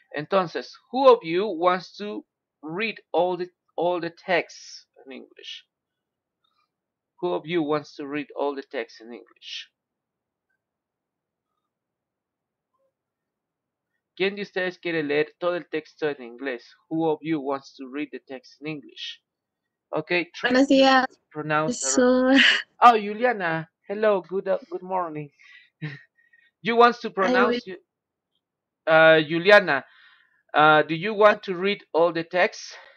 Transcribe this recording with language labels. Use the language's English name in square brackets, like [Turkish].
[English] Entonces, who of you wants to read all the texts in English? Who of you wants to read all the texts in English? [Spanish] ¿Quién de ustedes quiere leer todo el texto en inglés? [English] Who of you wants to read the text in English? Okay. [Spanish] Buenos días. [English] Oh, Juliana. Hello. Good morning. You want to pronounce? Juliana, do you want to read all the texts?